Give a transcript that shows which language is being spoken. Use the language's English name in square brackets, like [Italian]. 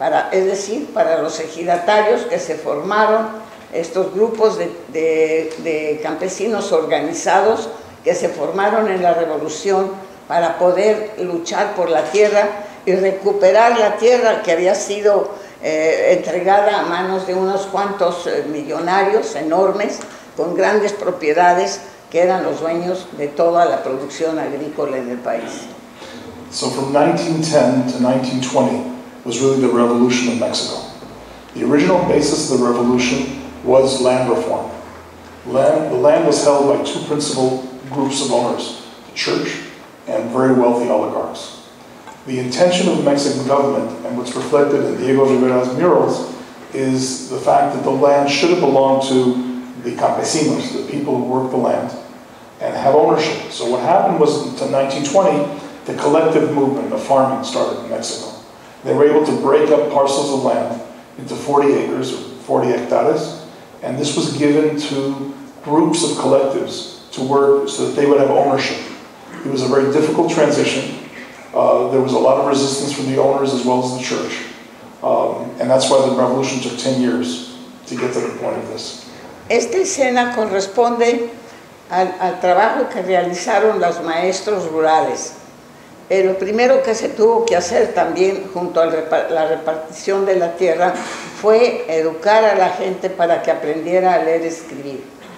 [Spanish] es decir, para los ejidatarios que se formaron, estos grupos de campesinos organizados que se formaron en la revolución para poder luchar por la tierra y recuperar la tierra que había sido entregada a manos de unos cuantos millonarios enormes con grandes propiedades que eran los dueños de toda la producción agrícola en el país. [English] So from 1910 to 1920 was really the revolution of Mexico. The original basis of the revolution was land reform. The land was held by two principal groups of owners, the church and very wealthy oligarchs. The intention of the Mexican government, and what's reflected in Diego Rivera's murals, is the fact that the land should have belonged to the campesinos, the people who worked the land, and have ownership. So what happened was, in 1920, the collective movement of farming started in Mexico. They were able to break up parcels of land into 40 acres, or 40 hectares, and this was given to groups of collectives to work so that they would have ownership. It was a very difficult transition. There was a lot of resistance from the owners as well as the church. And that's why the revolution took 10 years to get to the point of this. [Spanish] Esta escena corresponde al trabajo que realizaron los maestros rurales. Lo primero que se tuvo que hacer también junto a la repartición de la tierra fue educar a la gente para que aprendiera a leer y escribir.